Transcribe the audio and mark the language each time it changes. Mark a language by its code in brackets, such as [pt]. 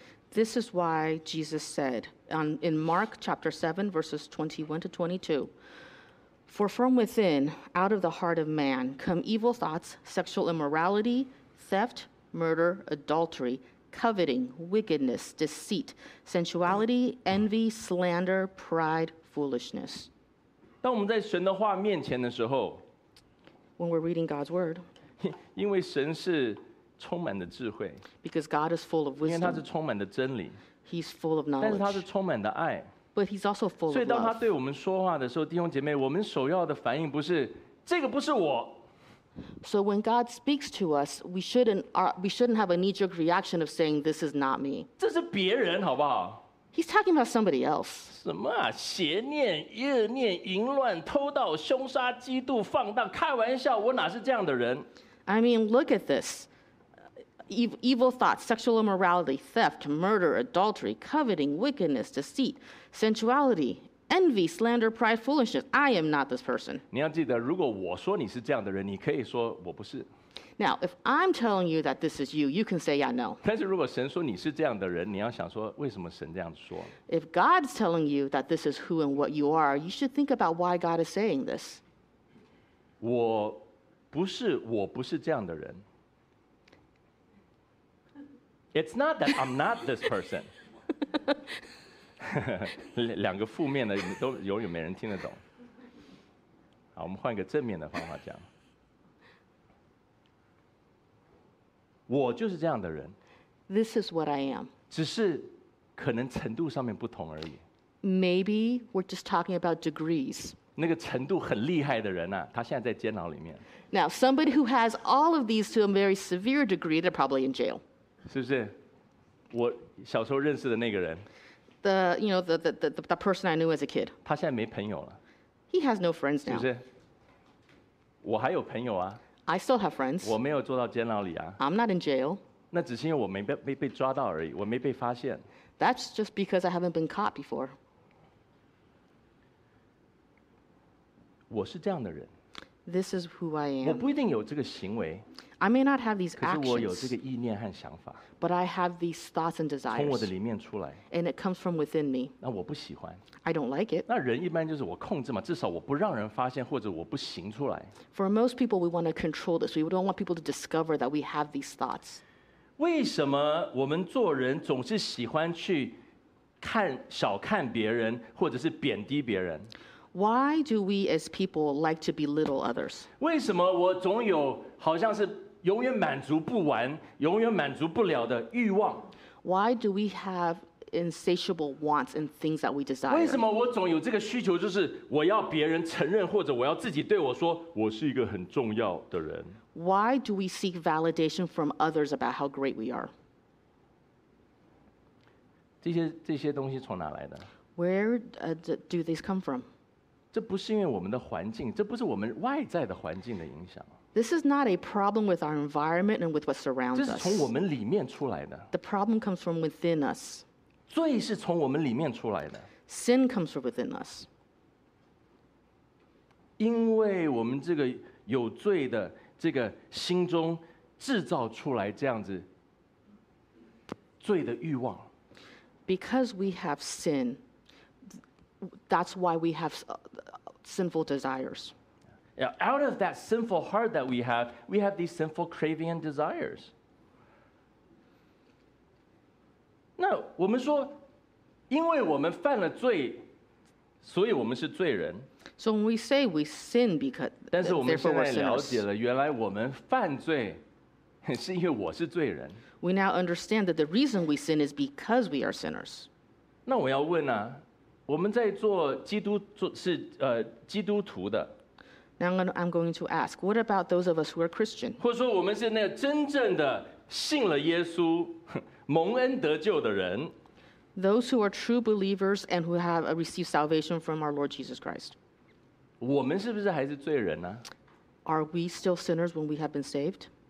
[en] This is why Jesus said in Mark chapter 7, verses 21 to 22, For from within, out of the heart of man, come evil thoughts, sexual immorality, theft, murder, adultery, coveting, wickedness, deceit, sensuality, envy, slander, pride, foolishness. [zh] 当我们在神的话面前的时候 [en] ，When we're reading God's word， [zh] 因为神是充满的智慧 [en] ，Because God is full of wisdom， [zh] 因为他是充满的真理 [en] ，He's full of knowledge， [zh] 但是他是充满的爱 [en] ，But He's also full of love。 [zh] 所以当他对我们说话的时候，弟兄姐妹，我们首要的反应不是这个不是我。 [en] So when God speaks to us, we shouldn't have a knee-jerk reaction of saying this is not me。 [zh] 这是别人，好不好？ [en] He's talking about somebody else. [zh] 什么啊？邪念、恶念、淫乱、偷盗、凶杀、嫉妒、放荡、开玩笑，我哪是这样的人 [en] ？I mean, look at this. Evil thoughts, sexual immorality, theft, murder, adultery, coveting, wickedness, deceit, sensuality, envy, slander, pride, foolishness. I am not this person. [zh] 你要记得，如果我说你是这样的人，你可以说我不是。 [en] Now, if I'm telling you that this is you, you can say, yeah, no. [zh] 但是如果神说你是这样的人，你要想说为什么神这样说。 [en] If God's telling you that this is who and what you are, you should think about why God is saying this. [zh] 我不是这样的人。 [en] It's not that I'm not this person. [zh] 两个负面的都永远没人听得懂。好，我们换一个正面的方法讲。我就是这样的人。 [en] This is what I am. [zh] 只是可能程度上面不同而已。 [en] Maybe we're just talking about degrees. [zh] 那个程度很厉害的人啊，他现在在监牢里面。 [en] Now, somebody who has all of these to a very severe degree, they're probably in jail. [zh] 是不是？我小时候认识的那个人。 [en] The, you know, the person I knew as a kid. [zh] 他现在没朋友了。 [en] He has no friends now. [zh] 是不是？我还有朋友啊。 [en] I still have friends. [zh] 我没有坐到监牢里啊。 [en] I'm not in jail. [zh] 那只是因为我没被抓到而已，我没被发现。 [en] That's just because I haven't been caught before. [zh] 我是这样的人。 [en] This is who I am. [zh] 我不一定有这个行为。 [en] I may not have these actions. [zh] 可是我有这个意念和想法。 [en] But I have these thoughts and desires. [zh] 从我的里面出来。 [en] And it comes from within me. [zh] 那我不喜欢。 [en] I don't like it. [zh] 那人一般就是我控制嘛，至少我不让人发现，或者我不行出来。 [en] For most people, we want to control this. We don't want people to discover that we have these thoughts. [zh] 为什么我们做人总是喜欢去看小看别人，或者是贬低别人？ [en] Why do we as people like to belittle others? [zh] 为什么我总有好像是永远满足不完、永远满足不了的欲望？ [en] Why do we have insatiable wants and things that we desire? [zh] 为什么我总有这个需求，就是我要别人承认，或者我要自己对我说，我是一个很重要的人？ [en] Why do we seek validation from others about how great we are? [zh] 这些东西从哪来的？ [en] Where do these come from? [zh] 这不是因为我们的环境，这不是我们外在的环境的影响。 [en] This is not a problem with our environment and with what surrounds us. [zh] 这是从我们里面出来的。 [en] The problem comes from within us. [zh] 罪是从我们里面出来的。 [en] Sin comes from within us. [zh] 因为我们这个有罪的这个心中制造出来这样子罪的欲望。 [en] Because we have sin. That's why we have sinful desires. Yeah, out of that sinful heart that we have these sinful craving and desires. [zh] 那我们说，因为我们犯了罪，所以我们是罪人。 [en] So when we say we sin because, therefore we're sinners. [zh] 但是我们现在了解了，原来我们犯罪是因为我是罪人。 [en] We now understand that the reason we sin is because we are sinners. [zh] 那我要问啊。我们在做基督是基督徒的。 [en] Now I'm going to ask, what about those of us who are Christian? [zh] 或者说我们是那真正的信了耶稣蒙恩得救的人。 [en] Those who are true believers and who have received salvation from our Lord Jesus Christ. [zh] 我们是不是还是罪人呢？ [en] Are we still sinners when we have been saved?